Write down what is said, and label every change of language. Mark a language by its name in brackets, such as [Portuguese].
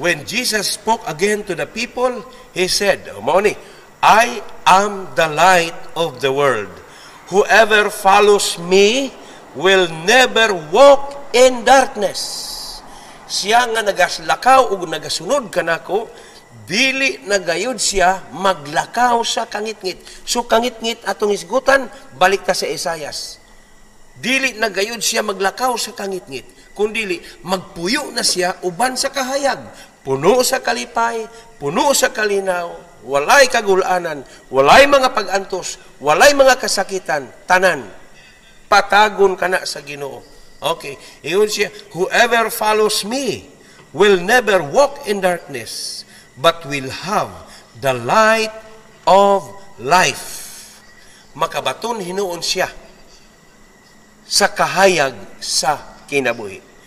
[English] When Jesus spoke again to the people, He said, Moni, I am the light of the world. Whoever follows me will never walk in darkness. [Cebuano] Siya nga nagaslakaw ug nagasunod kanako, dili nagayod siya maglakaw sa kangitngit. So kangitngit atong isgutan, balik ta sa Isaias. Dili nagayod siya maglakaw sa kangitngit, kundili magpuyo na siya uban sa kahayag, puno sa kalipay, puno sa kalinaw, walay kagulanan, walay mga pagantos, walay mga kasakitan, tanan, patagon kana sa Ginoo. [English] Okay, [Cebuano] iyon siya, [English] whoever follows me will never walk in darkness, but will have the light of life. [Cebuano] Makabaton hinuon siya sa kahayag sa kinabuhi.